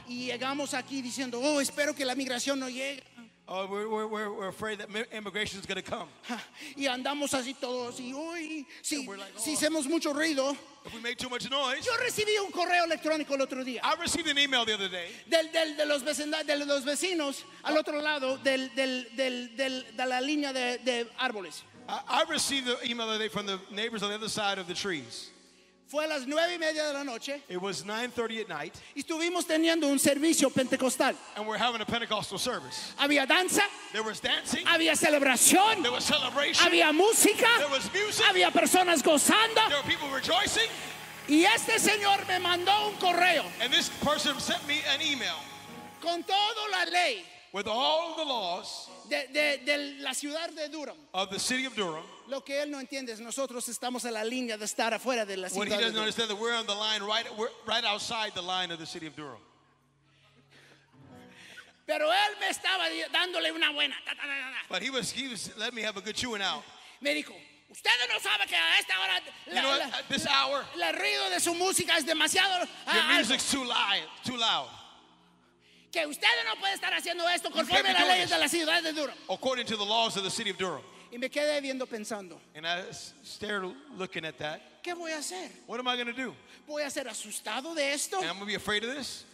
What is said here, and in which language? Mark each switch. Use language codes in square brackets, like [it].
[es] Y llegamos aquí diciendo, oh, espero que la migración no llegue. [en] Oh, we're afraid that immigration is going to come. [es] Y andamos así todos y hoy si si hacemos mucho ruido. [en] If we make too much noise. [es] Yo recibí un correo electrónico el otro día. [en] I received an email the other day. [es] De los vecinos al otro lado de la línea de árboles. [en] I received the email the other day from the neighbors on the other side of the trees. [es] Fue a las 9:30 de la noche. [en] It was 9:30 at night. [es] Y estuvimos teniendo un servicio pentecostal. [en] And we're having a Pentecostal service. [es] Había danza. [en] There was dancing. [es] Había celebración. [en] There was celebration. [es] Había música. [en] There was music. [es] Había personas gozando. [en] There were people rejoicing. [es] Y este señor me mandó un correo. [en] And this person sent me an email. [es] Con toda la ley. [en] With all the laws. [es] De la ciudad de Durham. [en] Of the city of Durham. [es] Lo que él no entiende es nosotros estamos en la línea de estar afuera de la ciudad. [en] What he doesn't understand that we're on the line right outside the line of the city of Durham. [es] Pero él me estaba dándole una buena. [en] But he was let me have a good chewing out. [es] Me dijo, ustedes no saben que a esta hora la ruido de su música es demasiado. [en] Your music's too loud. [es] Que ustedes no pueden estar haciendo esto conforme a las leyes de la ciudad de Durham. [en] According to the laws of the city of Durham. [es] Y me quedé viendo pensando. [en] And I stared looking at that. [es] ¿Qué voy a hacer? [en] What am I going to do? [es] ¿Voy a ser asustado de esto? [en] Am I going to be afraid of this?